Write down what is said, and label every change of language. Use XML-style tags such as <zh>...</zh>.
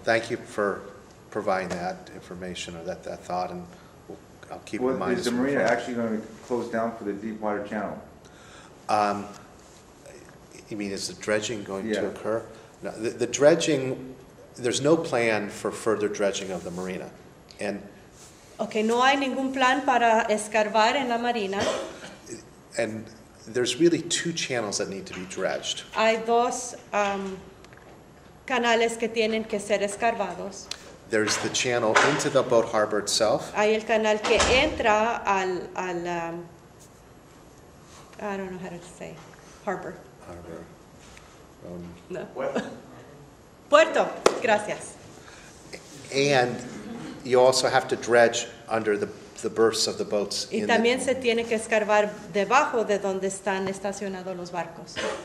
<en>Thank you for providing that information or that thought, and I'll keep well, in mind. Is the marina actually going to be closed down for the deep water channel? You mean is the dredging going to occur? No, the dredging, there's no plan for further dredging of the marina. And</en> <es>okay, no hay ningún plan para escarbar en la marina.</es> <en>And there's really two channels that need to be dredged.</en> <es>Hay dos canales que tienen que ser escarbados.</es> <en>There's the channel into the boat harbor itself.</en> <es>Hay el canal que entra al</es> <en>I don't know how to say harbor. Harbor.</en> <es>No. Puerto. Puerto. Gracias.</es> <en>And you also have to dredge under the berths of the boats.</en> <es>Y también se tiene que escarbar debajo de donde están estacionados los barcos.</es>